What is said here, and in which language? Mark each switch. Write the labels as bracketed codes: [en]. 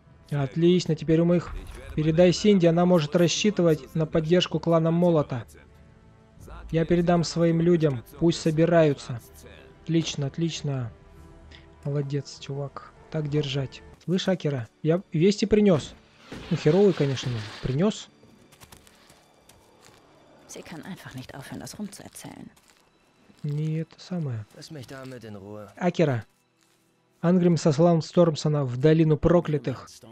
[ru] Отлично, теперь у моих... Передай Синди, она может рассчитывать на поддержку клана Молота. Я передам своим людям, пусть собираются. Отлично, отлично. Молодец, чувак. Так держать. Слышь, Акера, я вести принес. Ну, херовый, конечно, принес. [de] Sie kann einfach nicht aufhören, das rumzuerzählen. [ru] Nee, это самое. [de] Lass mich damit in Ruhe. [ru] Акира. Ангрим сослал Стормсона в долину проклятых.